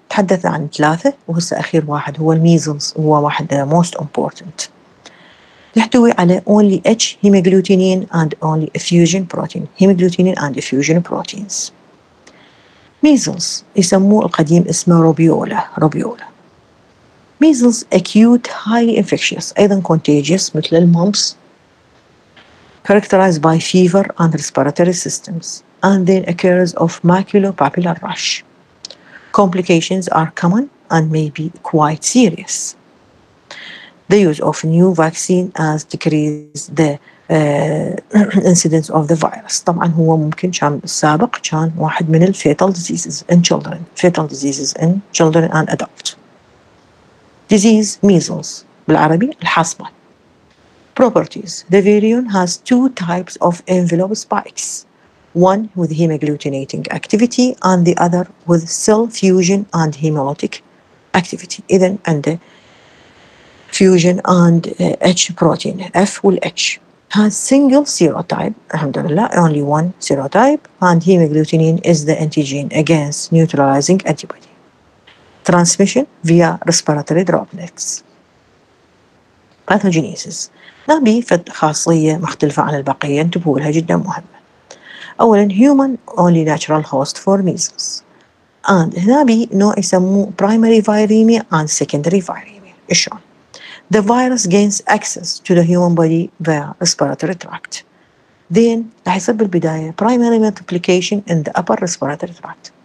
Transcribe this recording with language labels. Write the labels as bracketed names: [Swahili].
[Arabic] تحدث عن ثلاثة وهسه أخير واحد هو الميزلز هو واحد [English] most important. [Arabic] يحتوي على [English] only H hemagglutinin and only effusion protein. Hemagglutinin and effusion proteins. [Arabic] Measles يسموه القديم اسمه روبيولا. روبيولا. [English] Measles acute highly infectious [Arabic] أيضا [English] contagious [Arabic] مثل المومس. [English] Characterized by fever and respiratory systems and then occurs of maculopapular rash. Complications are common and may be quite serious. The use of new vaccine has decreased the incidence of the virus. [Arabic] طبعا هو ممكن كان سابق كان واحد من ال [English] fatal diseases in children. Fatal diseases in children and adults. Disease measles. [Arabic] بالعربي الحصبة. [English] Properties. The virion has two types of envelope spikes. One with hemagglutinating activity and the other with cell fusion and hemolytic activity. [Arabic] إذن عند [English] fusion and H protein, F will H. Has single serotype, alhamdulillah, only one serotype, and hemagglutinin is the antigen against neutralizing antibody. Transmission via respiratory droplets. Pathogenesis. [Arabic] نبي فد خاصية مختلفة عن البقية انتبهولها جدا مهمة. أولاً, [English] human only natural host for measles. And [Arabic] هنا بي نوع يسموه [English] primary viremia and secondary viremia. [Arabic] إشون. [English] The virus gains access to the human body via respiratory tract. Then, [Arabic] لحسب بالبداية, [English] primary multiplication in the upper respiratory tract.